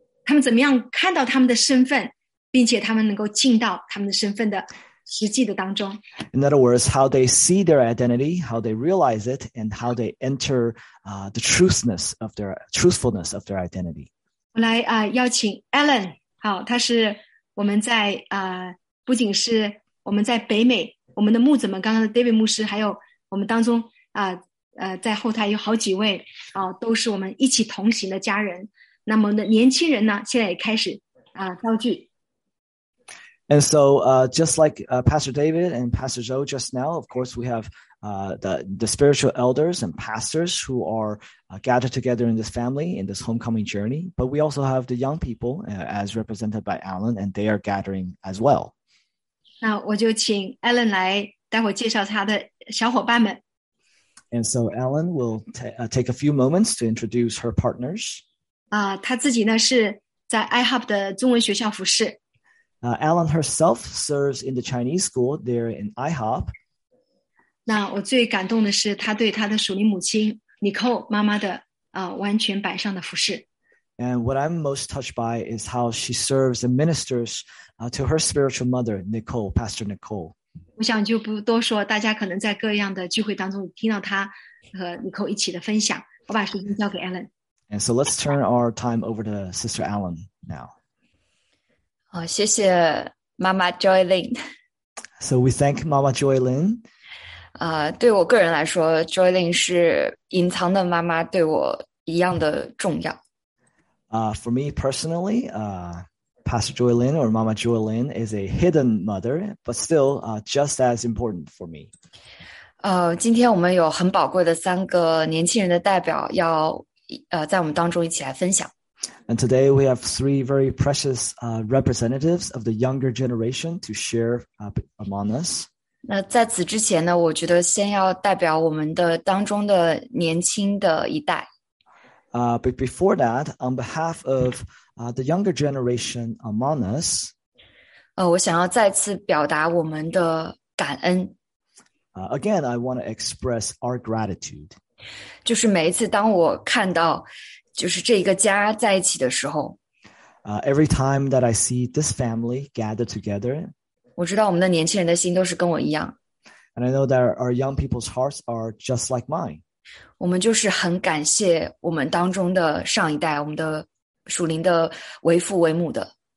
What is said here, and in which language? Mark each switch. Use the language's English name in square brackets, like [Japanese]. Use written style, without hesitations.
[Chinese] 他们怎么样看到他们的身份，并且他们能够进到他们的身份的实际的当中。 [English] In other words, how they see their identity, how they realize it, and how they enter truthfulness of their identity. [Chinese] 我来邀请 Alan, 好，他是我们在不仅是我们在北美，我们的牧者们，刚刚的 David 牧师，还有我们当中在后台有好几位都是我们一起同行的家人。那么的年轻人呢现在也开始造句。 [English] And so, just like Pastor David and Pastor Zhou just now, of course, we have the spiritual elders and pastors who are gathered together in this family, in this homecoming journey. But we also have the young people, as represented by Alan, and they are gathering as well. [Chinese] 那我就请 Alan 来待会介绍他的小伙伴们。 [English] And so Alan will take a few moments to introduce her partners. [Chinese] 他自己呢是在 IHOP 的中文学校服侍。 [English] Alan herself serves in the Chinese school there in IHOP. [Chinese] 那我最感动的是他对他的属灵母亲 Nicole 妈妈的完全摆上的服侍。 [English] And what I'm most touched by is how she serves and ministers to her spiritual mother, Nicole, Pastor Nicole. [Chinese] 我想就不多说，大家可能在各样的聚会当中听到她和 Nicole 一起的分享。我把时间交给 Alan。 [English] And so let's turn our time over to Sister Alan now. [Chinese] 好，谢谢妈妈 Joy Lin。 [English] So we thank Mama Joy Lin。 [Chinese] 对我个人来说 ，Joy Lin 是隐藏的妈妈对我一样的重要。 [English] For me personally, Pastor Joy Lin or Mama Joy Lin is a hidden mother, but still just as important for me. [Chinese] 今天我们有很宝贵的三个年轻人的代表要在我们当中一起来分享。 [English] And today we have three very precious representatives of the younger generation to share among us. [Chinese] 那在此之前呢，我觉得先要代表我们的当中的年轻的一代。 [English] But before that, on behalf of the younger generation among us, [Chinese] 我想要再次表达我们的感恩。 [English] Again, I want to express our gratitude. [Chinese] 就是每一次当我看到就是这一个家在一起的时候。 [English] Every time that I see this family gathered together, [Chinese] 我知道我们的年轻人的心都是跟我一样。 [English] And I know that our young people's hearts are just like mine. [Chinese] 我们就是很感谢我们当中的上一代，我们的属灵的为父为母的。